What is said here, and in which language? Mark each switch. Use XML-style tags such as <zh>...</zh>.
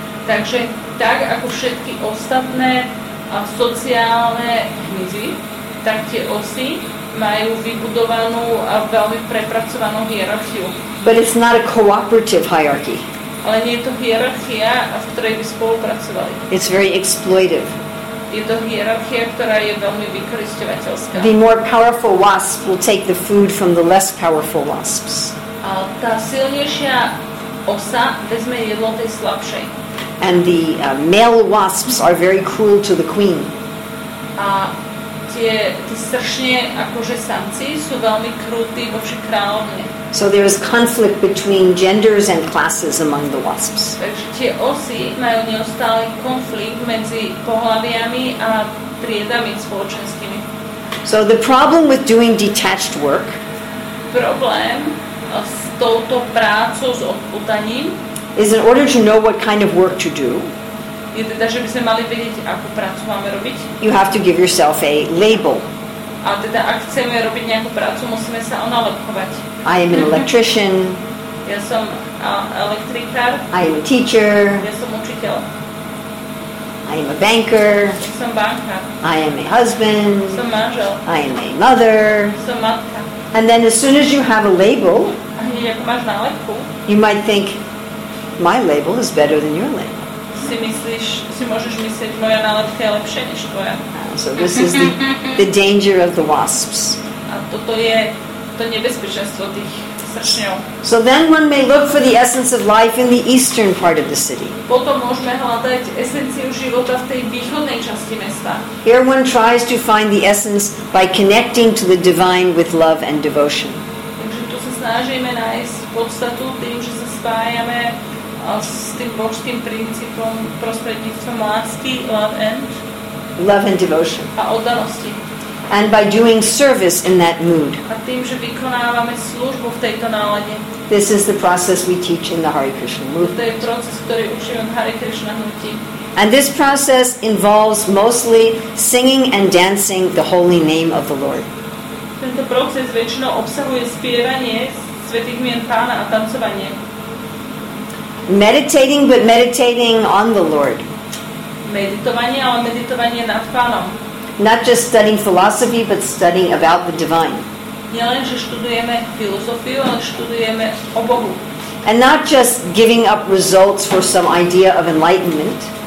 <sk>Takže tak ako všetky ostatné sociálne hmyzy, tak tie osy majú vybudovanú a veľmi prepracovanú hierarchiu.</sk> <en>But it's not a cooperative hierarchy.</en> <sk>Ale nie je to hierarchia, v ktorej by spolupracovali.</sk> <en>It's very exploitive.</en> <sk>Je to hierarchia, ktorá je veľmi vykoristovateľská.</sk> <en>The more powerful wasp will take the food from the less powerful wasps.</en> <sk>A tá silnejšia osa vezme jedlo tej slabšej.</sk> <en>And the male wasps are very cruel to the queen.</en> <sk>A tie sršne, akože samci, sú veľmi krutí voči kráľovne.</sk> <en>So there is conflict between genders and classes among the wasps.</en> <sk>Takže tie osy majú neustály konflikt medzi pohlaviami a triedami spoločenskými.</sk> <en>So the problem with doing detached work,</en> <sk>problém s touto prácou s odputaním,</sk> <en>is in order to know what kind of work to do,</en> <sk>je teda, že by sme mali vedieť, akú prácu máme robiť,</sk> <en>you have to give yourself a label.</en> <sk>A teda, ak chceme robiť nejakú prácu, musíme sa onalepkovať.</sk> <en>I am an electrician.</en> <sk>Ja som elektrikár.</sk> <en>I am a teacher.</en> <sk>Ja som učiteľ.</sk> <en>I am a banker.</en> <sk>Ja som bankár.</sk> <en>I am a husband.</en> <sk>Som manžel.</sk> <en>I am a mother.</en> <sk>Som matka.</sk> <en>And then as soon as you have a label,</en> <sk>a hneď ako máš nálepku,</sk> <en>you might think, my label is better than your label.</en> <sk>Si môžeš myslieť, moja nálepka je lepšia než tvoja.</sk> <en>So this is the danger of the wasps.</en> <sk>A toto je to nebezpečenstvo tých sršňov.</sk> <en>So then one may look for the essence of life in the eastern part of the city.</en> <sk>Potom môžeme hľadať esenciu života v tej východnej časti mesta.</sk> <en>Here one tries to find the essence by connecting to the divine with love and devotion.</en> <sk>Takže tu sa snažíme nájsť podstatu tým, že sa spájame s tým božským princípom prostredníctvom lásky,</sk> <en>love and love and devotion.</en> <sk>A oddanosti.</sk> <en>And by doing service in that mood.</en> <sk>A tým, že vykonávame službu v tejto nálade.</sk> <en>This is the process we teach in the Hare Krishna movement.</en> <sk>To je proces, ktorý učíme v Hare Krishna hnutí.</sk> <en>And this process involves mostly singing and dancing the holy name of the Lord.</en> <sk>Tento proces väčšinou obsahuje spievanie svätých mien Pána a tancovanie.</sk> <en>Meditating, but meditating on the Lord.</en> <sk>Meditovanie, ale meditovanie nad Pánom.</sk> <en>Not just studying philosophy, but studying about the divine.</en> <sk>Nie len, že študujeme filozofiu, ale študujeme o Bohu.</sk> <en>And not just giving up results for some idea of enlightenment.</en>